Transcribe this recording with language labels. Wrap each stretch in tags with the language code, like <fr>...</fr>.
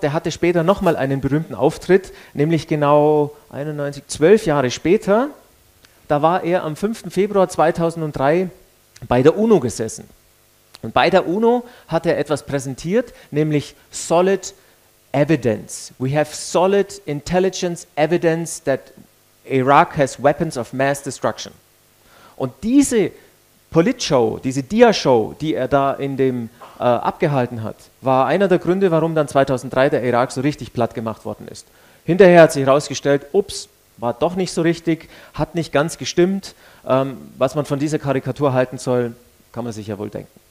<de>Der hatte später nochmal einen berühmten Auftritt, nämlich genau 12 Jahre später. Da war er am 5. Februar 2003 bei der UNO gesessen. Und bei der UNO hat er etwas präsentiert, nämlich Solid Evidence.</de> <en>We have solid intelligence evidence that Iraq has weapons of mass destruction.</en> <de>Und diese Politshow, diese Dia-Show, die er da in dem abgehalten hat, war einer der Gründe, warum dann 2003 der Irak so richtig platt gemacht worden ist. Hinterher hat sich herausgestellt, ups, war doch nicht so richtig, hat nicht ganz gestimmt. Was man von dieser Karikatur halten soll, kann man sich ja wohl denken.</de>